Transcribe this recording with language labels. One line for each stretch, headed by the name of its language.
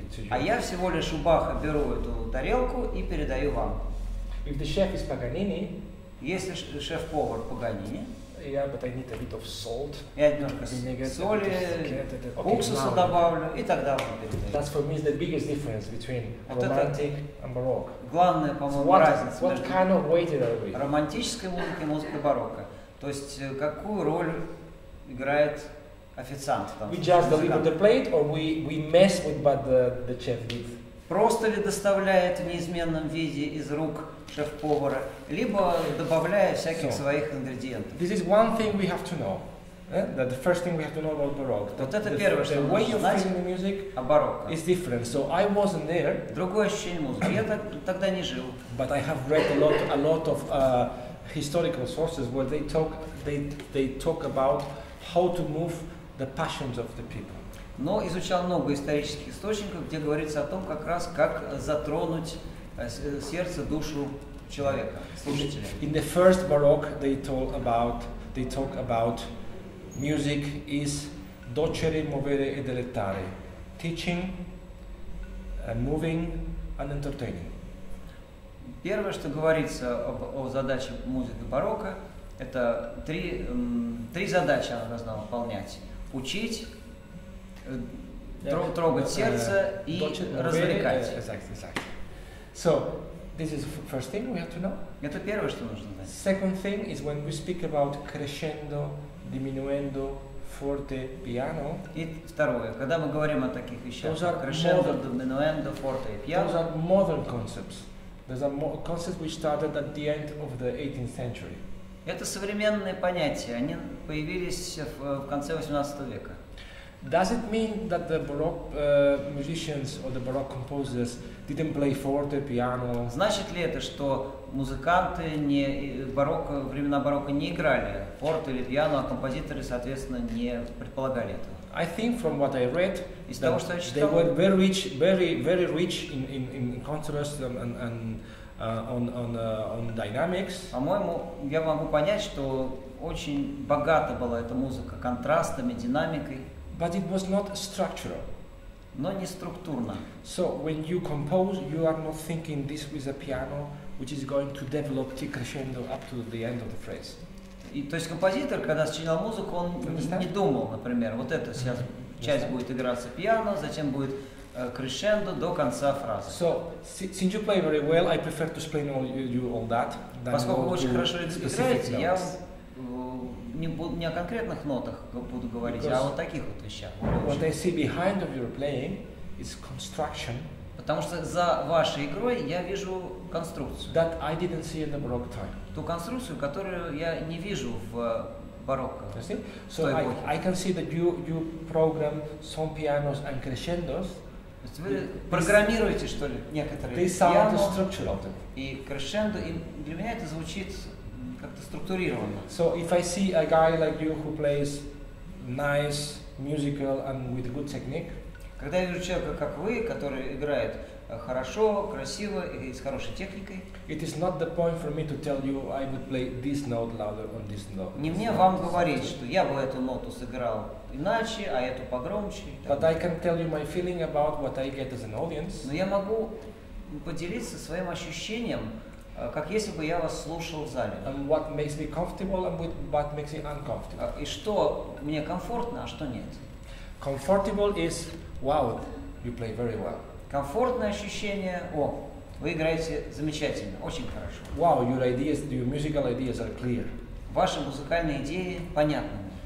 Russian: А я всего лишь у Баха беру эту тарелку и передаю вам.
English: If the chef is Paganini,
Russian: если шеф-повар Паганини,
English: but I need a bit of salt,
Russian: я немножко соли, уксуса добавлю и так далее.
English: That's for me the biggest difference between romantic and baroque.
Russian: Главная, по-моему, разница между
English: kind of waiter are we?
Russian: Романтической музыкой и музыкой барокко. То есть какую роль играет официант? Там,
English: we just deliver the plate, or we mess with what the chef did.
Russian: Просто ли доставляет в неизменном виде из рук шеф-повара, либо добавляя всяких своих ингредиентов.
English: This is one thing we have to know. That the first thing we have to know about baroque.
Russian: Вот это первое, что мы знаем о барокко.
English: Is different. So I wasn't there.
Russian: Другое ощущение музыки. Я тогда не жил.
English: But I have read a lot of. Historical sources where they talk about how to move the passions of the people.
Russian: Но изучал много исторических источников, где говорится о том, как раз как затронуть сердце, душу человека, слушателя.
English: In the first Baroque, they talk about music is
Latin: docere, movere e delettare,
English: teaching, moving and entertaining.
Russian: Первое, что говорится о задаче музыки барокко, это три задачи она должна выполнять. Учить, трогать сердце и развлекать.
English: Exactly, exactly. So, this is the first thing we have to know.
Russian: Это первое, что нужно знать.
English: Second thing is when we speak about crescendo, diminuendo, forte, piano.
Russian: И второе, когда мы говорим о таких вещах, crescendo, diminuendo, forte, piano.
English: Those are modern concepts. Those are concepts which started at the end of the 18th century.
Russian: Это современные понятия, они появились в конце 18 века.
English: Does it mean that the Baroque musicians or the Baroque composers didn't play forte, piano?
Russian: Значит ли это, что музыканты не барокко, времена барокко не играли форте или пиано, а композиторы, соответственно, не предполагали этого?
English: I think from what I read,
Russian: из того, что я читал,
English: they were very rich, very rich in contrast and on dynamics.
Russian: По-моему, я могу понять, что очень богата была эта музыка контрастами, динамикой.
English: But it was not structural.
Russian: Но не структурно.
English: So when you compose, you are not thinking this is a piano which is going to develop the crescendo up to the end of the phrase.
Russian: И то есть композитор, когда сочинял музыку, он не думал, например, вот эта сейчас часть будет играться пиано, затем будет crescendo до конца фразы.
English: So since you play very well, I prefer to explain you all that.
Russian: Поскольку вы очень хорошо играете, я не о конкретных нотах буду говорить,
English: because
Russian: а вот таких вот вещах.
English: What I see behind of your playing is construction.
Russian: Потому что за вашей игрой я вижу конструкцию.
English: That I didn't see in the Baroque time.
Russian: Ту конструкцию, которую я не вижу в барокко.
English: So I can see that you program some pianos and crescendos.
Russian: То есть вы программируете, что ли, некоторые
English: they
Russian: пиано
English: sound
Russian: и crescendo, и для меня это звучит как-то структурированно.
English: So if I see a guy like you who plays nice musical and with good technique,
Russian: когда я вижу человека как вы, который играет хорошо, красиво и с хорошей техникой,
English: it is not the point for me to tell you I would play this note louder on this note.
Russian: Не мне вам говорить, что я бы эту ноту сыграл иначе, а эту погромче.
English: But I can tell you my feeling about what I get as an audience.
Russian: Но я могу поделиться своим ощущением, как если бы я вас слушал в зале.
English: And what makes me comfortable and what makes me uncomfortable.
Russian: И что мне комфортно, а что нет?
English: Comfortable is wow, you play very well.
Russian: Комфортное ощущение, о, вы играете замечательно, очень хорошо.
English: Wow, your musical ideas are clear.
Russian: Ваши музыкальные идеи понятны.